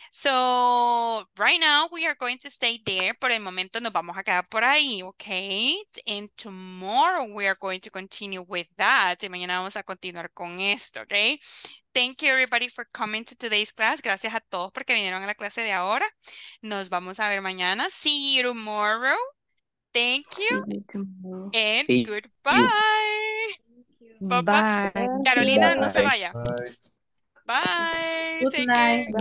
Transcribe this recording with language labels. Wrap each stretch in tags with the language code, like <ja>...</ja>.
<en>So right now we are going to stay there.</en> <es>Por el momento nos vamos a quedar por ahí, okay?</es> <en>And tomorrow we are going to continue with that.</en> <es>Y mañana vamos a continuar con esto,</es> <en>okay? Thank you everybody for coming to today's class.</en> <es>Gracias a todos porque vinieron a la clase de ahora. Nos vamos a ver mañana.</es> <en>See you tomorrow. Thank you. See you tomorrow. And see goodbye. You. Bye. Carolina, bye.</en> <es>No se vaya.</es> <en>Bye. Bye. Good night.</en>